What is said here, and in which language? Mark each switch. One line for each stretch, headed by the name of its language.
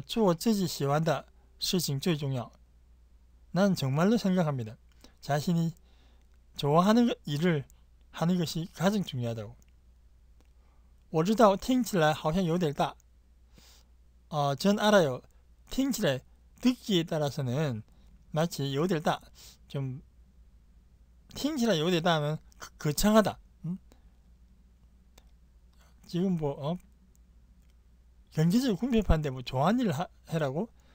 Chinese: 我真的觉得做自己喜欢的事情最重要.
Korean: 난 정말로 생각합니다. 자신이 좋아하는 일을 하는 것이 가장 중요하다고.
Chinese: 我知道听起来好像有点大.
Korean: 전 알아요.
Chinese: 听起来
Korean: 듣기에 따라서는 마치
Chinese: 有点大.
Korean: 좀
Chinese: 听起来 有点大
Korean: 는 거창하다. 지금 뭐 경제적으로 궁핍한데 뭐 좋아하는 일을 해라고?